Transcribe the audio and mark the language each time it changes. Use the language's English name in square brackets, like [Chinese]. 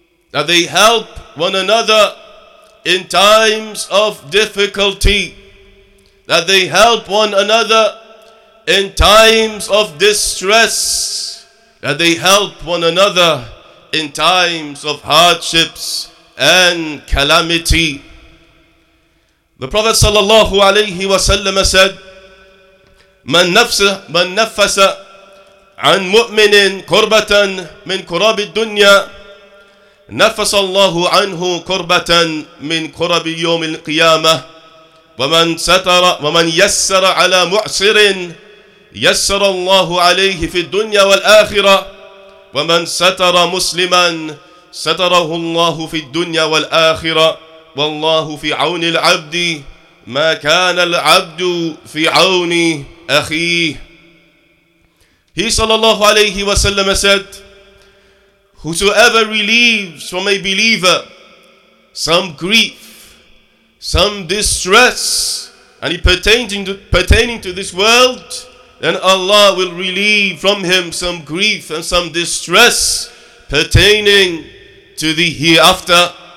[English] That they help one another in times of difficulty. That they help one another in times of distress. That they help one another in times of hardships and calamity. The Prophet sallallahu alayhi wa sallam said, [Arabic] من نفس عن مؤمن كربة من كرب الدنيا نفس الله عنه كربة من كرب يوم القيامة ومن يسر على معسر يسر الله عليه في الدنيا والآخرة ومن ستر مسلما ستره الله في الدنيا والآخرة والله في عون العبد ما كان العبد في عوني أخيه. [English] He sallallahu alayhi wa sallam said, whosoever relieves from a believer some grief, some distress, and it pertaining to this world, then Allah will relieve from him some grief and some distress pertaining to the hereafter.